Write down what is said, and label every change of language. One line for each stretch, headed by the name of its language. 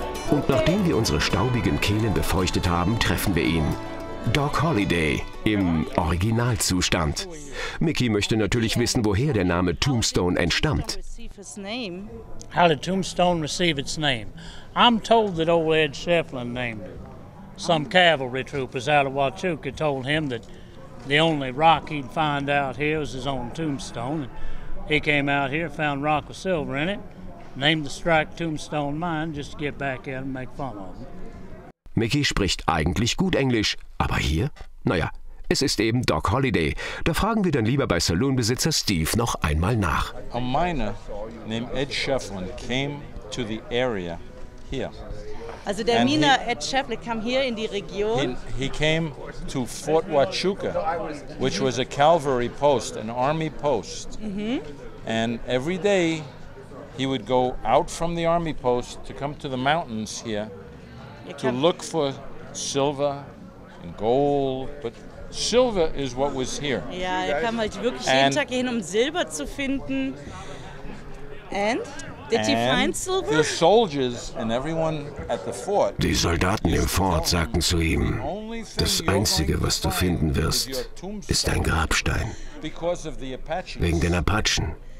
German: Und nachdem wir unsere staubigen Kehlen befeuchtet haben, treffen wir ihn. Doc Holliday im Originalzustand. Mickey möchte natürlich wissen, woher der Name Tombstone entstammt.
English: How did Tombstone receive its name? I'm told that old Ed Shefflin named it. Some cavalry troopers out of Huachuca told him that the only rock he'd find out here was his own tombstone. He came out here, found rock with silver in it. Name the strike Tombstone Mine, just to get back at and make fun of them.
German: Mickey spricht eigentlich gut Englisch, aber hier? Naja, es ist eben Doc Holliday. Da fragen wir dann lieber bei Saloonbesitzer Steve noch einmal nach.
English: A miner named Ed Shefflin came to the area here.
German: Also der Miner Ed Shefflin kam hier in die Region.
English: He came to Fort Huachuca, which was a cavalry post, an army post. Mm-hmm. And every day he would go out from the army post to come to the mountains here to look for silver and gold, but silver is what was here.
German: Ja, er kam halt wirklich jeden Tag hin, um Silber zu finden.
English: And did he find silver? The soldiers and everyone at the fort.
German: Die Soldaten im Fort sagten zu ihm: Das einzige, was du finden wirst, ist ein Grabstein wegen den Apachen.